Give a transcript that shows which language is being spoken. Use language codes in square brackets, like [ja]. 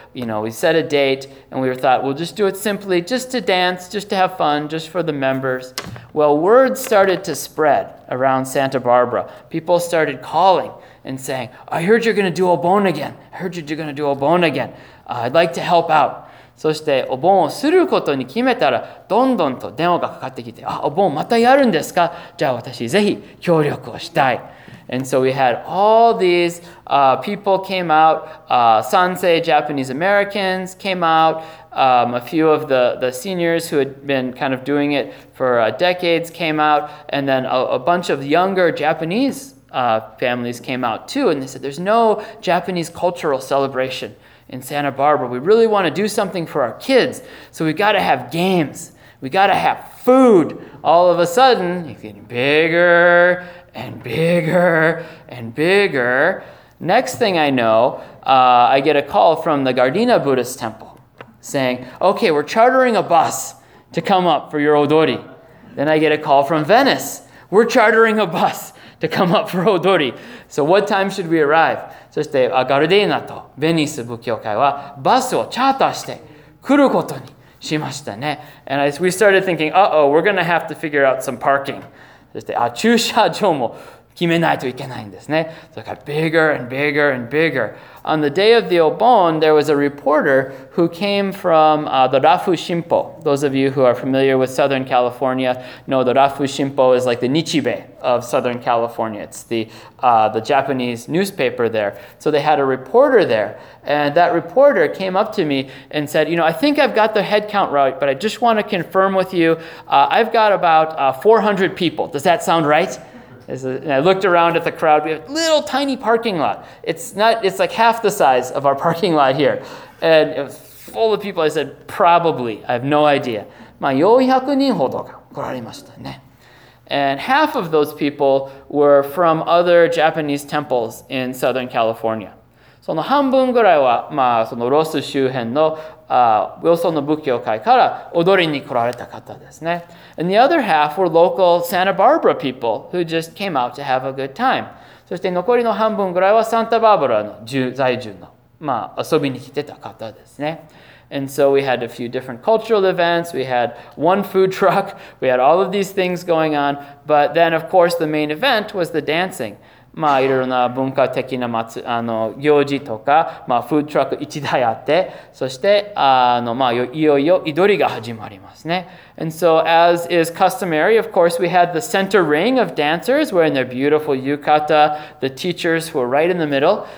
[en] You know, we set a date and we thought, we'll just do it simply, just to dance, just to have fun, just for the members. Well, word started to spread around Santa Barbara. People started calling and saying, I heard you're going to do Obon again. I heard you're going to do Obon again. I'd like to help out. [ja] そして、お盆をすることに決めたら、どんどんと電話がかかってきて、あ、お盆またやるんですか? じゃあ私ぜひ協力をしたい。 [en] And so we had all these people came out, Sansei Japanese Americans came out, a few of the seniors who had been kind of doing it for decades came out, and then a bunch of younger Japanese families came out too, and they said, there's no Japanese cultural celebration in Santa Barbara. We really want to do something for our kids, so we've got to have games. We got to have food. All of a sudden, it's getting bigger. And bigger and bigger. Next thing I know, I get a call from the Gardena Buddhist Temple saying, okay, we're chartering a bus to come up for your odori. Then I get a call from Venice. We're chartering a bus to come up for odori. So what time should we arrive? [ja] そして、ガルデーナとベニス仏教会はバスをチャーターして来ることにしましたね。 [en] And we started thinking, uh-oh, we're going to have to figure out some parking. [ja] そして、あ、駐車場も決めないといけないんですね。それから、 [en] bigger and bigger and bigger. On the day of the Obon, there was a reporter who came from the Rafu Shinpo. Those of you who are familiar with Southern California know the Rafu Shinpo is like the Nichibei of Southern California. It's the Japanese newspaper there. So they had a reporter there. And that reporter came up to me and said, you know, I think I've got the headcount right, but I just want to confirm with you. I've got about 400 people. Does that sound right? And I looked around at the crowd. We have a little tiny parking lot. It's like half the size of our parking lot here. And it was full of people. I said, probably. I have no idea. [ja] まあ、400人ほどが来られましたね。 [en] And half of those people were from other Japanese temples in Southern California. [ja] その半分ぐらいは、まあ、そのロス周辺の、ウィルソンの仏教会から踊りに来られた方ですね。 [en] And the other half were local Santa Barbara people who just came out to have a good time. [ja] そして残りの半分ぐらいはサンタバーバラの在住の、まあ、遊びに来てた方ですね。 [en] And so we had a few different cultural events. We had one food truck. We had all of these things going on. But then, of course, the main event was the dancing. [ja] まあ、いろいろな文化的な行事とか、まあ、フードトラック一台あって、そして、まあ、いよいよ踊りが始まりますね。 [en] And so, as is customary, of course, we had the center ring of dancers wearing their beautiful yukata, the teachers who were right in the middle.